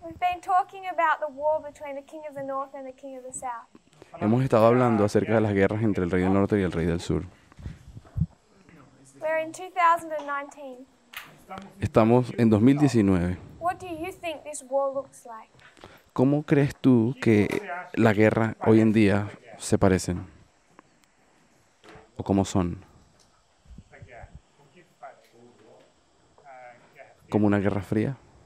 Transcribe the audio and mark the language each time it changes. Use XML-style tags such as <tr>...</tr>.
<en>We've been talking about the war between the King of the North and the King of the South.</en> <es>Hemos estado hablando acerca de las guerras entre el Rey del Norte y el Rey del Sur.</es> <en>We're in 2019.</en> <es>Estamos en 2019.</es> <en>What do you think this war looks like?</en> <es>¿Cómo crees tú que la guerra hoy en día se parecen? ¿O cómo son? ¿Como una guerra fría?</es>